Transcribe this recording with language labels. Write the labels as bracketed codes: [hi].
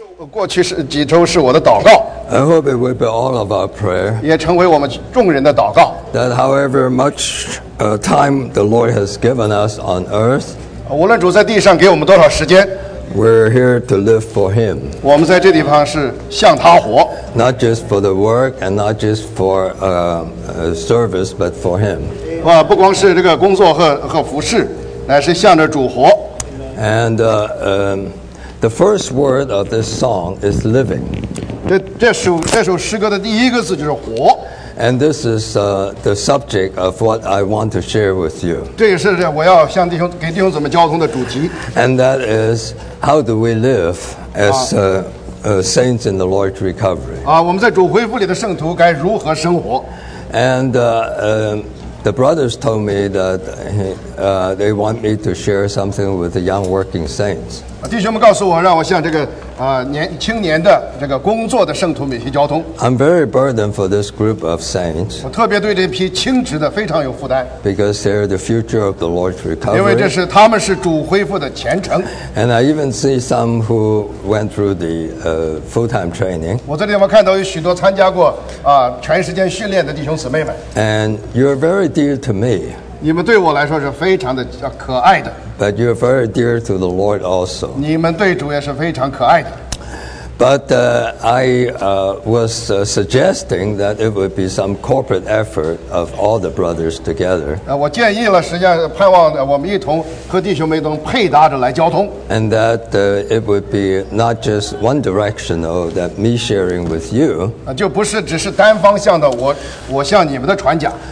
[zh] 过去是几周是我的祷告。 [en] I hope it will be all of our prayer. [zh] 也成为我们众人的祷告。 [en] That however much time the Lord has given us on earth, [zh] 无论主在地上给我们多少时间。 [en] We're here to live for Him. [zh] 我们在这地方是向他活。 [en] Not just for the work and not just for service, but for Him. [zh] 不光是这个工作和服事，乃是向着主活。 [en] And the first word of this song is living. [zh] 这首诗歌的第一个字就是活。 [en] And this is the subject of what I want to share with you. [zh] 这也是我要向弟兄给弟兄怎么交通的主题。 [en] And that is how do we live as saints in the Lord's recovery? [zh] 我们在主恢复里的圣徒该如何生活 [en] ？And the brothers told me that they want me to share something with the young working saints. [zh] 弟兄们告诉我，让我向这个。青年的这个工作的圣徒们去交通。 [en] I'm very burdened for this group of saints. [zh] 我特别对这批清职的非常有负担。 [en] Because they're the future of the Lord's recovery. [zh] 因为这是他们是主恢复的前程。 [en] And I even see some who went through the full-time training. [zh] 我在这地方看到有许多参加过全时间训练的弟兄姊妹们。 [en] And you're very dear to me. [zh] 你们对我来说是非常的可爱的。 [en] But you're very dear to the Lord also. [zh] 你们对主也是非常可爱的。 [en] But I was suggesting that it would be some corporate effort of all the brothers together. [zh] 我建议了，实际上盼望我们一同和弟兄们能配搭着来交通。 [en] And that it would be not just one directional that me sharing with you. [zh] 就不是只是单方向的我向你们的传讲。